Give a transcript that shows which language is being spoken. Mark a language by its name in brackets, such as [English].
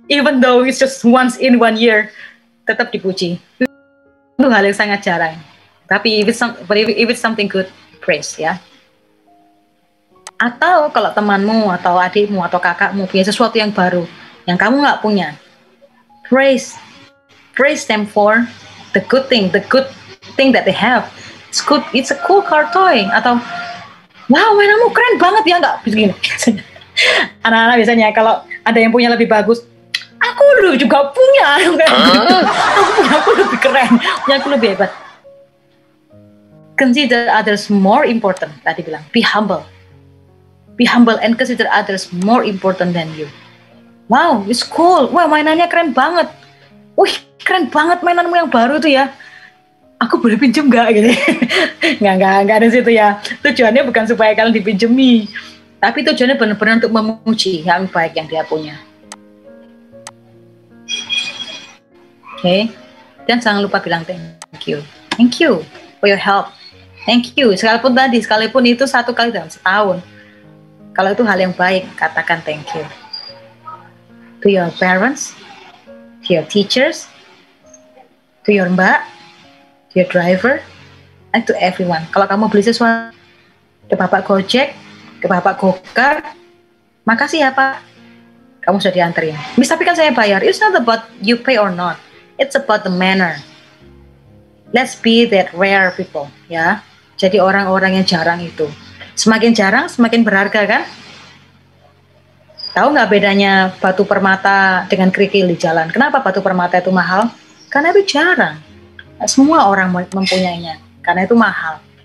[English] Even though it's just once in one year. [Indonesian] Tetap dipuji. Itu hal yang sangat jarang. Tapi [English] if it's something good, praise [Indonesian] ya. Atau kalau temanmu atau adikmu atau kakakmu punya sesuatu yang baru yang kamu nggak punya, [English] praise them for the good thing that they have. It's good. It's a cool car toy. [Indonesian] Atau wow, mainanmu keren banget ya, nggak begini. Anak-anak biasanya kalau ada yang punya lebih bagus. Aku lu juga punya, aku lebih keren, punya aku lebih hebat. [English] Consider others more important, [Indonesian] tadi bilang, [English] be humble and consider others more important than you. Wow, it's cool, [Indonesian] wah mainannya keren banget, wih keren banget mainanmu yang baru tuh ya, aku boleh pinjem gak gitu, gak ada situ ya, tujuannya bukan supaya kalian dipinjemi, tapi tujuannya benar-benar untuk memuji yang baik yang dia punya. Oke, okay. Dan jangan lupa bilang [English] thank you for your help, thank you, [Indonesian] sekalipun itu satu kali dalam setahun, kalau itu hal yang baik, katakan [English] thank you to your parents, to your teachers, to your mbak, to your driver, and to everyone. [Indonesian] Kalau kamu beli sesuatu ke bapak Gojek, ke bapak Gokar, makasih ya pak, kamu sudah dianterin. [English] Miss, [Indonesian] tapi kan saya bayar, [English] it's not about you pay or not. It's about the manner. Let's be that rare people, ya. [Indonesian] Jadi orang-orang yang jarang itu. Semakin jarang, semakin berharga, kan? Tahu nggak bedanya batu permata dengan kerikil di jalan? Kenapa batu permata itu mahal? Karena itu jarang. Semua orang mempunyainya. Karena itu mahal.